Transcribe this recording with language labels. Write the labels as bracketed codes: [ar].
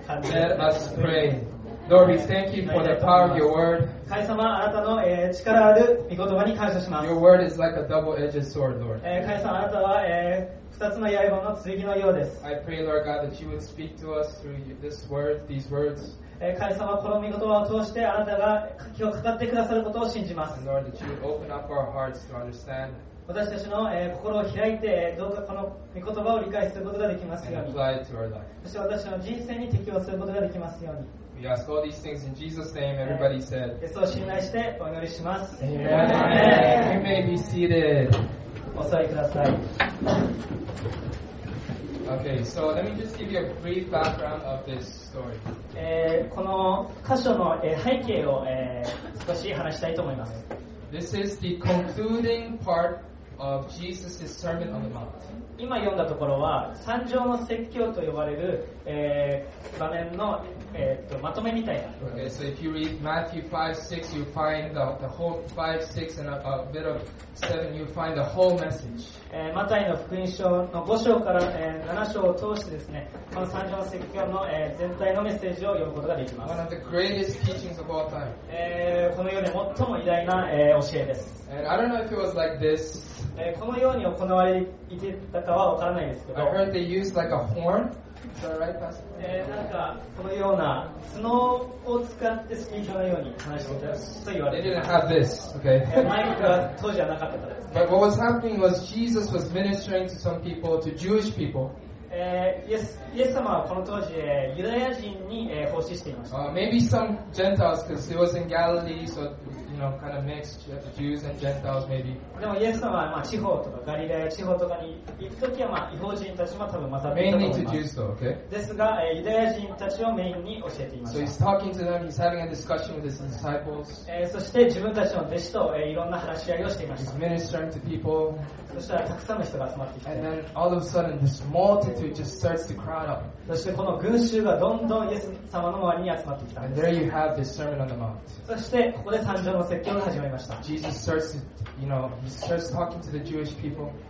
[en] Let us pray. Lord, we thank you for the power of your word. [ja] 神様、あなたの力ある御言葉に感謝します。 [en] Your word is like a double-edged sword, Lord. [ja] 神様、あなたは二つの刃の剣のようです。 [en] I pray, Lord God, that you would speak to us through this word, these words. [ja] 神様、この御言葉を通してあなたが今日語ってくださることを信じます。 [en] Lord, that you would open up our hearts to understand. [ja] 私たちの心を開いてどうかこの御言葉を理解することができますように。そして私の人生に適応することができますように。 [en] We ask all these things in Jesus' name. Everybody said. [ja] イエスを信頼してお祈りします。 [en] Amen. You may be seated. [ja] お座りください。 [en] Okay, so let me just give you a brief background of this story. [ja] この箇所の背景を少し話したいと思います。 [en] This is the concluding part. Of Jesus' Sermon on the Mount. [ja] 今読んだところは山上の説教と呼ばれる、場面の、まとめみたいな。 [en] Okay, so if you read Matthew 5-6, you find the whole 5-6 and a bit of 7, you find the whole message. [ja] マタイの福音書の5章から、7章を通してですね、この山上の説教の、全体のメッセージを読むことができます。 [en] One of the greatest teachings of all time. [ja] この世で最も偉大な、教えです。 [en] And I don't know if it was like this. [ja] このように行われていたかは分からないですけど、 [en] I heard they used like a horn. [ja] なんかこのような角を使ってスピーカーのように話していたと言われています [en] They didn't have this, okay. [ja] マイクは当時はなかったからですね。 [en] But what was happening was Jesus was ministering to some people, to Jewish people. [ja] イエス様はこの当時ユダヤ人に奉仕していました。 [en] Maybe some Gentiles, because it was in Galilee, so you know, kind of mixed Jews and Gentiles, maybe. [ja] でもイエス様はまあ地方とかガリラヤ地方とかに行くときはまあ異邦人たちも多分混ざっていたと思います。 [en] Mainly to Jews, though, okay? [ja] ですが、ユダヤ人たちをメインに教えていました。 [en] So he's talking to them, he's having a discussion with his disciples. [ja] そして自分たちの弟子と、いろんな話し合いをしていました。 [en] He's ministering to people. [ja] そしたらたくさんの人が集まってきて。 [en] And then all of a sudden, this multitude just starts to crowd up. [ja] そしてこの群衆がどんどんイエス様の周りに集まってきたんです。 [en] And there you have the Sermon on the Mount. [ja] そしてここで山上の説教が始まりました。 [en] Jesus starts to, you know, he starts talking to the Jewish people.